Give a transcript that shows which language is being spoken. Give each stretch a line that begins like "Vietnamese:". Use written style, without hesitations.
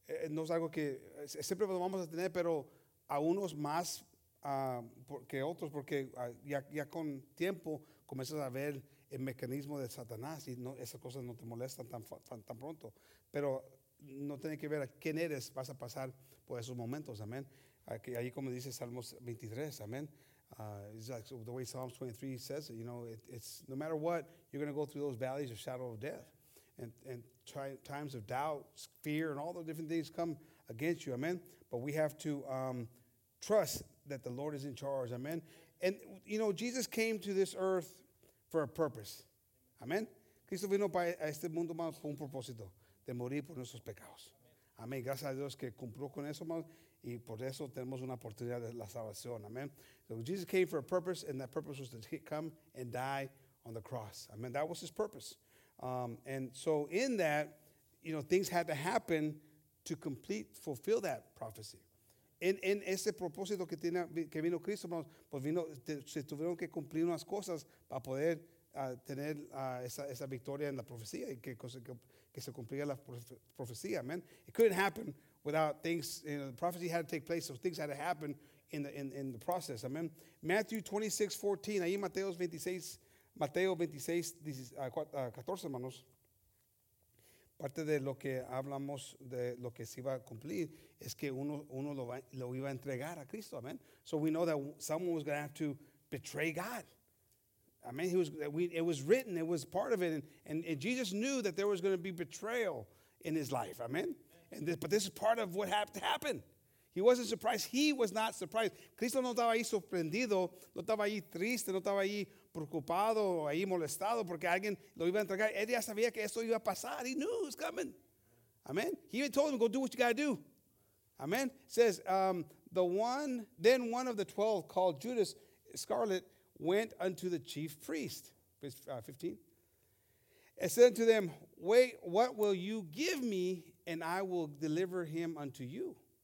Spanish: No es algo que siempre lo vamos a tener, pero a unos más que otros. Porque ya con tiempo comienzas a ver el mecanismo de Satanás, y no, esas cosas no te molestan tan pronto, pero no tiene que ver a quién eres, vas a pasar por esos momentos, amén. Ahí como dice Salmos 23, amén.
English: It's like the way Psalms 23 says, you know, it's no matter what, you're going to go through those valleys of shadow of death, and times of doubt, fear, and all the different things come against you, amén. But we have to trust that the Lord is in charge, amén. And, you know, Jesus came to this earth for a purpose.
Spanish: Amen. Cristo vino para este mundo, hermanos, con un propósito, de morir por nuestros pecados. Amen. Gracias a Dios que cumplió con eso, hermanos, y por eso tenemos una oportunidad de la salvación. Amen.
English: So Jesus came for a purpose, and that purpose was to come and die on the cross. Amen. That was his purpose. And so in that, you know, things had to happen to complete, fulfill that prophecy.
Spanish: En ese propósito que vino Cristo, hermanos, pues vino, se tuvieron que cumplir unas cosas para poder tener esa victoria en la profecía, y que se cumpliera la profecía, amen.
English: It couldn't happen without things, you know, the prophecy had to take place, so things had to happen in the process, amen.
Spanish: Matthew 26:14, ahí Mateo 26:14, hermanos. Parte de lo que hablamos de lo que se iba a cumplir es que uno lo iba a entregar a Cristo, amen.
English: So we know that someone was going to have to betray God. I mean, it was written, it was part of it, and Jesus knew that there was going to be betrayal in his life, amen. But this is part of what had to happen. He wasn't surprised. He was not surprised.
Spanish: Cristo no estaba ahí sorprendido, no estaba ahí triste, no estaba ahí preocupado, ahí molestado porque alguien lo iba a entregar. Él ya sabía que esto iba a pasar.
English: He knew it was coming. Amen. He even told him, go do what you got to do. Amen. It says, one of the 12 called Judas Iscariot went unto the chief priest. Verse 15. And said unto them, wait, what will you give me, and I will deliver him unto you?